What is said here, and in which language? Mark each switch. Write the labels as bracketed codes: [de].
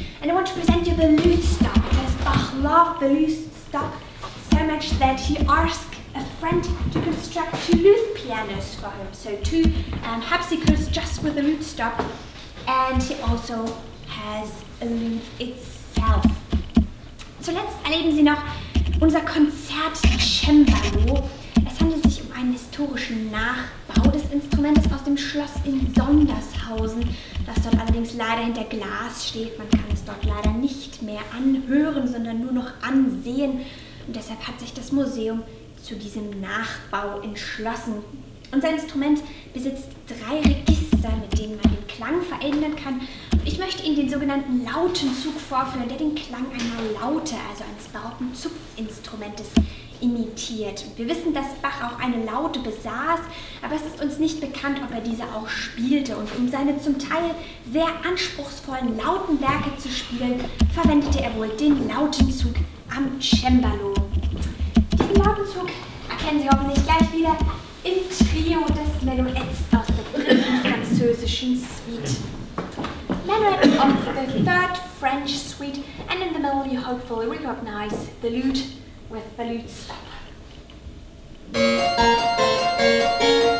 [en] And I want to present you the lute stop, because Bach loved the lute stop so much that he asked a friend to construct two lute pianos for him. So two harpsichords just with the lute stop, and he also has a lute itself. So let's [de] erleben Sie noch unser Konzert Cembalo. Es handelt sich um einen historischen Nachbau des Instruments aus dem Schloss in Sondershausen, das dort allerdings leider hinter Glas steht. Man kann es dort leider nicht mehr anhören, sondern nur noch ansehen. Und deshalb hat sich das Museum zu diesem Nachbau entschlossen. Unser Instrument besitzt drei Register, mit denen man den Klang verändern kann. Ich möchte Ihnen den sogenannten Lautenzug vorführen, der den Klang einer Laute, also eines barocken Zupfinstrumentes, imitiert. Wir wissen, dass Bach auch eine Laute besaß, aber es ist uns nicht bekannt, ob er diese auch spielte. Und um seine zum Teil sehr anspruchsvollen Lautenwerke zu spielen, verwendete er wohl den Lautenzug am Cembalo. Diesen Lautenzug erkennen Sie hoffentlich gleich wieder im Trio des Menuets aus der dritten französischen Suite. [en] Menuet of the third French suite, and in the middle you hopefully recognize the lute with the lute stop.